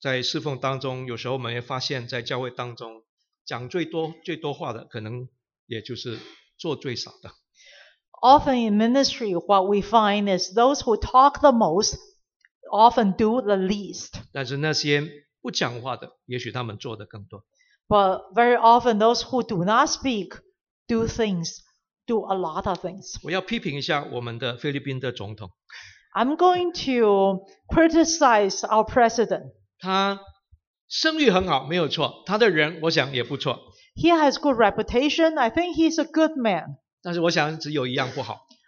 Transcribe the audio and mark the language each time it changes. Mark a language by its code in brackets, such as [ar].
[zh] 很多时候在侍奉当中,有时候我们也发现在教会当中, 讲最多话的可能也就是 [en] often in ministry, what we find is those who talk the most often do the least. [zh] 但是那些不讲话的，也许他们做的更多。 [en] But very often, those who do not speak do things, do a lot of things. [zh] 我要批评一下我们的菲律宾的总统。 [en] I'm going to criticize our president. [zh] 他声誉很好，没有错，他的人我想也不错。 [en] He has good reputation. I think he's a good man. [zh] 但是我想只有一样不好。